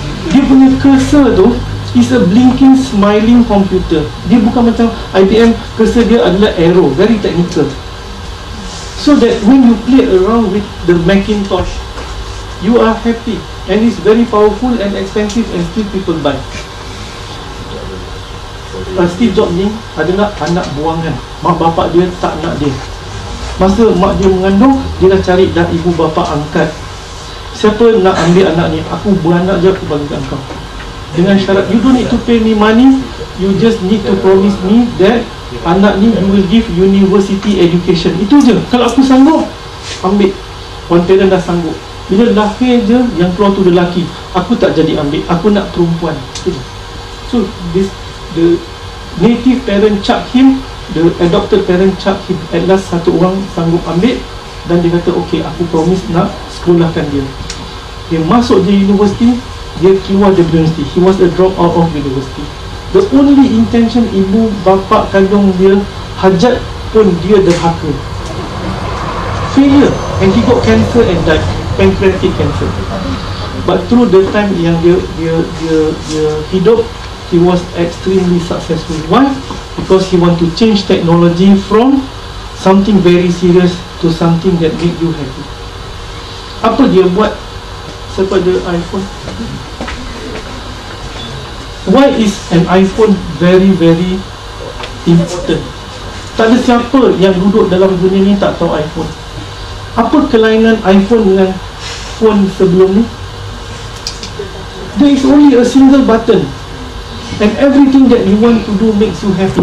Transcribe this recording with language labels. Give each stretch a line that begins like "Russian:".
Malay: Dia punya cursor tu
English: is a blinking, smiling computer.
Malay: Dia bukan macam IBM, cursor dia adalah arrow,
English: very technical. So that when you play around with the Macintosh, you are happy. and it's very powerful and expensive and still people buy.
Malay: Steve Jobs ni adalah anak buangan. Mak bapak dia tak nak dia. Masa mak dia mengandung, dia dah cari dan ibu bapa angkat. Siapa nak ambil anak ni? Aku beranak je, aku bagi kat kau. Dengan syarat,
English: you don't need to pay me money. You just need to promise me that
Malay: anak ni
English: you will give university education.
Malay: Itu je. Kalau aku sanggup, ambil.
English: One parent
Malay: dah sanggup. Bila lahir je, yang keluar tu lelaki. Aku tak jadi ambil. Aku nak perempuan.
English: So, this the native parent chuck him, the adopted parent chuck him. At last,
Malay: satu orang sanggup ambil. Dan dia kata, okay, aku promise nak sekolahkan dia. Dia masuk je university, dia keluar dari university.
English: He was a drop out of university. The only intention
Malay: ibu bapa kandung dia, hajat pun dia derhaka. Failure.
English: And he got cancer and died. Pancreatic cancer. But through the time
Malay: yang dia hidup,
English: he was extremely successful. Why? Because he want to change technology from something very serious to something that make you happy.
Malay: Apa dia buat? Siapa ada iPhone?
English: Why is an iPhone very very important?
Malay: Tak ada siapa yang duduk dalam dunia ni tak tahu iPhone. Apa kelainan iPhone dengan phone sebelum ni?
English: There is only a single button. And everything that you want to do makes you happy.